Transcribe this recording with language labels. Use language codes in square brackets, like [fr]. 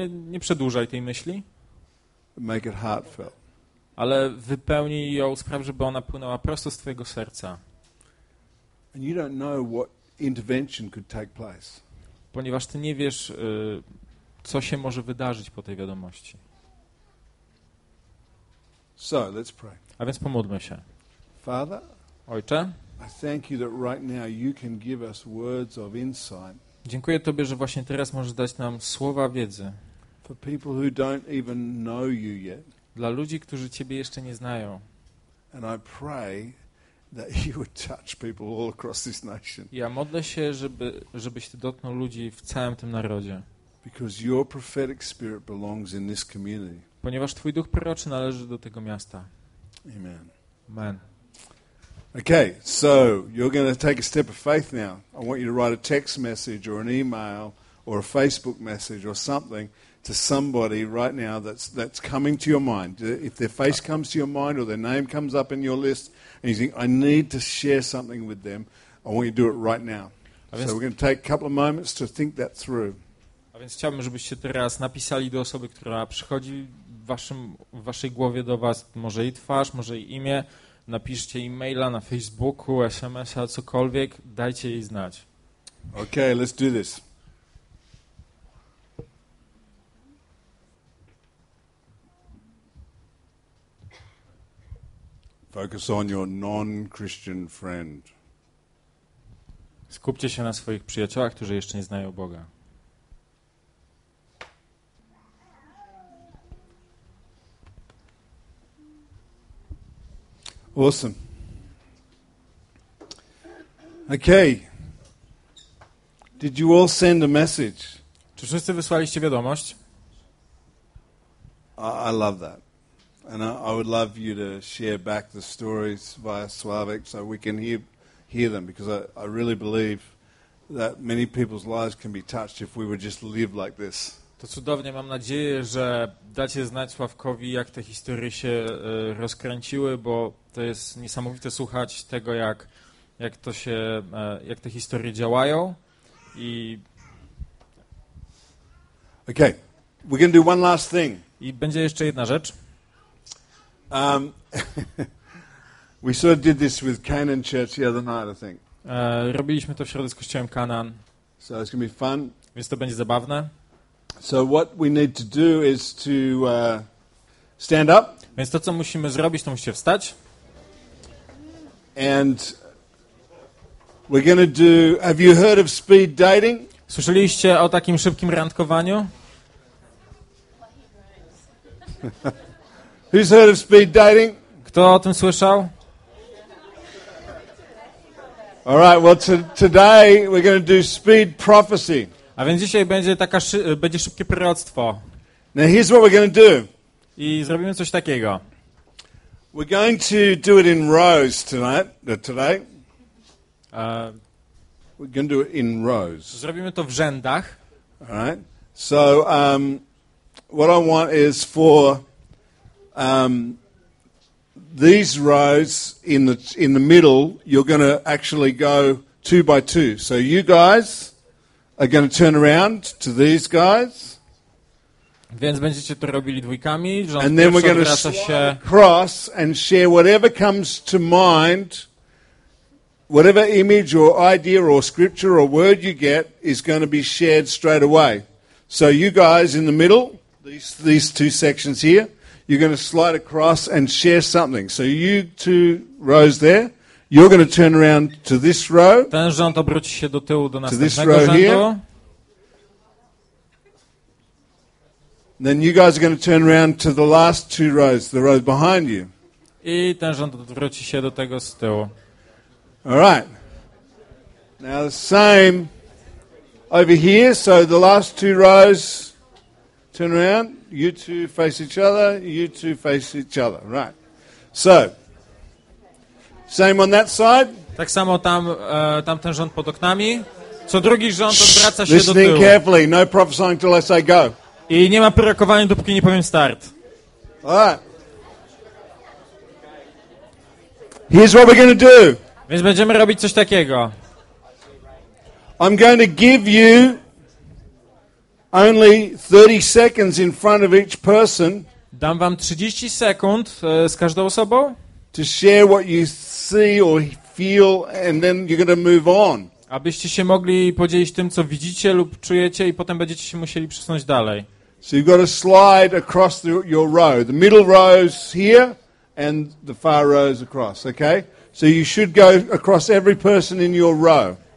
[pl] Nie przedłużaj tej myśli. [en] Make it heartfelt. [pl] Ale wypełnij ją, spraw, żeby ona płynęła prosto z twojego serca. [en] And you don't know what intervention could take place. [pl] Ponieważ ty nie wiesz, co się może wydarzyć po tej wiadomości. [en] So, let's pray. [pl] A więc pomódlmy się. [en] Father, [pl] Ojcze, [en] I thank you that right now you can give us words of insight. [pl] Dziękuję Tobie, że właśnie teraz możesz dać nam słowa wiedzy. [en] For people who don't even know you yet. [pl] Dla ludzi, którzy Ciebie jeszcze nie znają. [en] And I pray that you would touch people all across this nation. [pl] Ja modlę się, żebyś ty dotknął ludzi w całym tym narodzie. [en] Because your prophetic spirit belongs in this community. [pl] Ponieważ twój duch proroczy należy do tego miasta. [en] Amen. [pl] Amen. [en] Okay, so you're going to take a step of faith now. I want you to write a text message or an email or a Facebook message or something to somebody right now that's coming to your mind. If their face comes to your mind or their name comes up in your list and you think, I need to share something with them, I want you to do it right now. So we're going to take a couple of moments to think that through. [pl] A więc chciałbym, żebyście teraz napisali do osoby, która przychodzi w waszej głowie do was, może jej twarz, może jej imię, napiszcie e-maila na Facebooku, SMS-a, cokolwiek, dajcie jej znać. [en] Okay, let's do this. Focus on your non-Christian friend. [pl] Skupcie się na swoich przyjaciołach, którzy jeszcze nie znają Boga. [en] Awesome. Okay. Did you all send a message? [pl] Czy wszyscy wysłaliście wiadomość? [en] I love that. And I would love you to share back the stories via Slavic so we can hear them, because I really believe that many people's lives can be touched if we would just live like this. [pl] To cudownie, mam nadzieję, że dacie znać Sławkowi, jak te historie się rozkręciły, bo to jest niesamowite słuchać tego, jak to się, jak te historie działają. [en] I okay, we're gonna do one last thing. [pl] I będzie jeszcze jedna rzecz. [en] we sort of did this with Canaan Church the other night, I think. [pl] Robiliśmy to w środę z kościołem Canaan. [en] So it's gonna be fun. [pl] Więc to będzie zabawne. [en] So what we need to do is to stand up. [pl] Więc to, co musimy zrobić, to musicie wstać. [en] And we're gonna do. Have you heard of speed dating? [pl] Słyszeliście o takim szybkim randkowaniu? [en] Who's heard of speed dating? [pl] Kto o tym słyszał? [en] All right. Well, today we're gonna do speed prophecy. [pl] A więc dzisiaj będzie taka będzie szybkie proroctwo. [en] Now here's what we're gonna do. [pl] I zrobimy coś takiego. [en] We're going to do it in rows tonight. Today. We're gonna do it in rows. [pl] Zrobimy to w rzędach. [en] All right. So what I want is for these rows in the middle, you're gonna actually go two by two. So you guys are gonna turn around to these guys. [pl] Więc będziecie to robili dwójkami, że [en] and then we're gonna cross and share whatever comes to mind, whatever image or idea or scripture or word you get is gonna be shared straight away. So you guys in the middle, these two sections here, you're going to slide across and share something. So you two rows there, you're going to turn around to this row. [pl] Ten rząd obróci się do tyłu, do następnego rzędu. [en] Here. Then you guys are going to turn around to the last two rows, the row behind you. [pl] I ten rząd odwróci się do tego z tyłu. [en] All right. Now the same over here, so the last two rows, turn around. You two face each other, you two face each other, right. So, same on that side. [pl] Tak samo tam, tamten rząd pod oknami. Co drugi rząd odwraca się [en] listening [pl] do tyłu. [en] Carefully. No prophesying till I say go. [pl] I nie ma prorokowania, dopóki nie powiem start. [en] Alright. Here's what we're going to do. [pl] Więc będziemy robić coś takiego. [en] I'm going to give you only 30 seconds in front of each person. [pl] Dam wam 30 sekund z każdą osobą. [en] To share what you see or feel, and then you're going to move on. [pl] Abyście się mogli podzielić tym, co widzicie lub czujecie, i potem będziecie się musieli przesunąć dalej. [en] So you've got to slide across your row. The middle rows here and the far rows across, okay? So you should go across every person in your row.